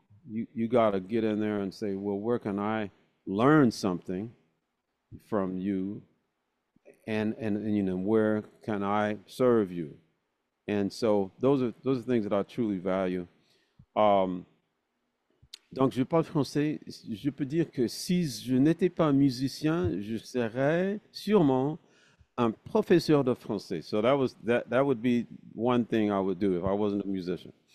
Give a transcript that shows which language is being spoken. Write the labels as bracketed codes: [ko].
[en] You got to get in there and say, well, where can I learn something from you? And you know, where can I serve you? And so those are things that I truly value. [fr] Donc je parle français. Je peux dire que si je n'étais pas musicien, je serais sûrement un professeur de français. [en] So that would be one thing I would do if I wasn't a musician.